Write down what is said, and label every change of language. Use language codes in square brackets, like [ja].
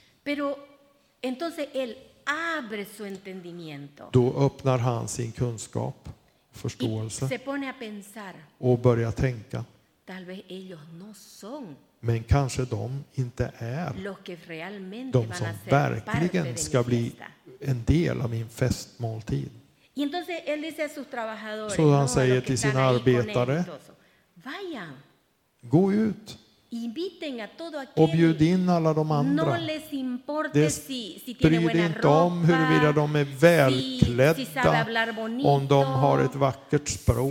[es] Pero entonces él abre su entendimiento. [sv] Då öppnar han sin kunskap. Förståelse [es] se pone a pensar, [sv] och börja tänka [es] tal vez ellos no son, [sv] men kanske de inte är de som verkligen ska bli en del av min festmåltid. [es] Y entonces él dice a sus trabajadores, [sv] så han säger till sina arbetare [es] vayan, [sv] gå ut [es] inviten a todo aquel, [sv] och bjud in alla de andra. [es] No les importe [sv] det [es] si [sv] bryr [es] buena [sv] inte [es] ropa, [sv] om huruvida de är välklädda, [es] si bonito, [sv] om de har ett vackert språk,